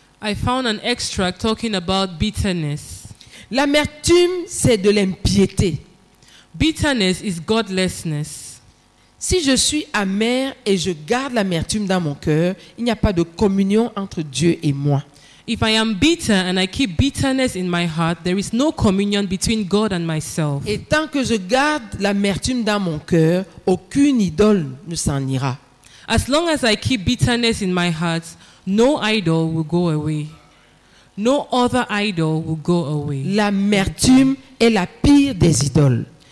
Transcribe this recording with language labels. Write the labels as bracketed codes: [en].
[en] I found an extract talking about bitterness. [fr] L'amertume, c'est de l'impiété. [en] Bitterness is godlessness. [fr] Si je suis amer et je garde l'amertume dans mon cœur, il n'y a pas de communion entre Dieu et moi. [en] If I am bitter and I keep bitterness in my heart, there is no communion between God and myself. [fr] Et tant que je garde l'amertume dans mon cœur, aucune idole ne s'en ira. [en] As long as I keep bitterness in my heart, no idol will go away. No other idol will go away. [fr] L'amertume est la pire des idoles.